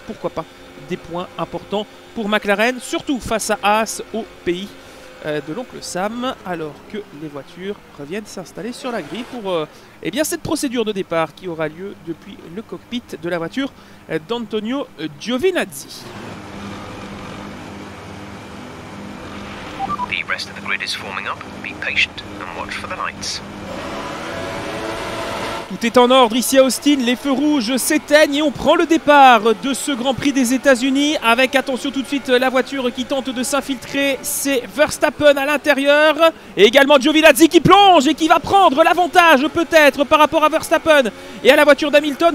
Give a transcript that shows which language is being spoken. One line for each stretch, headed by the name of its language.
French: Pourquoi pas des points importants pour McLaren, surtout face à Haas au pays de l'oncle Sam, alors que les voitures reviennent s'installer sur la grille pour eh bien, cette procédure de départ qui aura lieu depuis le cockpit de la voiture d'Antonio Giovinazzi.
English: The rest of the grid is forming up. Be patient and watch for the lights.
French: Tout est en ordre ici à Austin, les feux rouges s'éteignent et on prend le départ de ce Grand Prix des États-Unis avec attention tout de suite la voiture qui tente de s'infiltrer, c'est Verstappen à l'intérieur et également Giovinazzi qui plonge et qui va prendre l'avantage peut-être par rapport à Verstappen et à la voiture d'Hamilton.